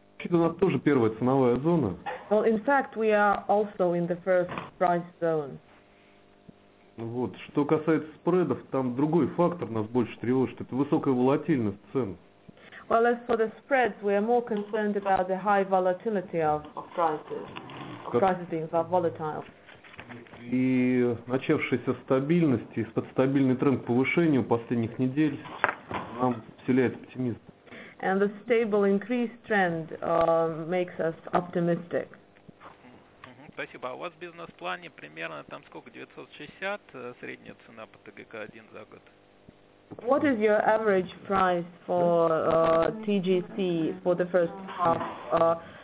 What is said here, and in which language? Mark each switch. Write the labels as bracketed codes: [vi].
[ru] У нас тоже первая ценовая зона. [en] Well, in fact, we are also in the first price zone. [ru] Вот. Что касается спредов, там другой фактор нас больше тревожит. Это высокая волатильность цен. [en] Well, as for the spreads, we are more concerned about the high volatility of prices. Prices being volatile. [ru] И начавшаяся стабильность и подстабильный тренд к повышению последних недель нам вселяет оптимизм. [en] And the stable increased trend makes us optimistic. [ru] Спасибо. А у вас в бизнес-плане примерно там сколько, 960 средняя цена по ТГК-1 за год? [en] What is your average price for TGC for the first half?